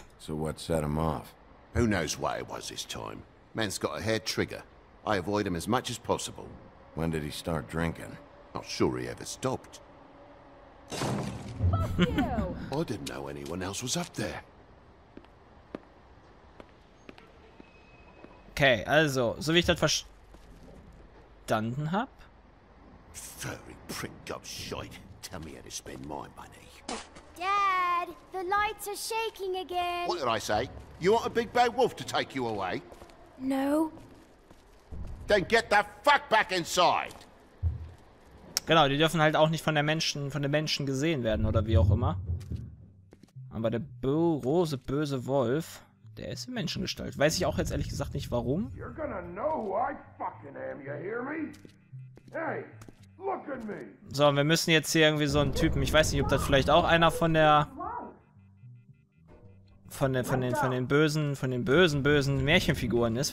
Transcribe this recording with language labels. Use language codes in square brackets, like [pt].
[en] So what set him off? Who knows why it was this time? Man's got a hair trigger. I avoid him as much as possible. When did he start drinking? Not sure he ever stopped. Fuck you! I didn't know anyone else was up there. [de] Okay, also, so wie ich das verstanden hab. [en] Furry prick up shite. Tell me how to spend my money. Dad, the lights are shaking again. What did I say? You want a big bad wolf to take you away? No. Then get the fuck back inside. [de] Genau, die dürfen halt auch nicht von der Menschen, von den Menschen gesehen werden oder wie auch immer. Aber der große böse Wolf, der ist in Menschengestalt. Weiß ich auch jetzt ehrlich gesagt nicht warum. [en] You're gonna know who I fucking am, you hear me? Hey! [de] So, wir müssen jetzt hier irgendwie so einen Typen, ich weiß nicht, ob das vielleicht auch einer von den bösen Märchenfiguren ist.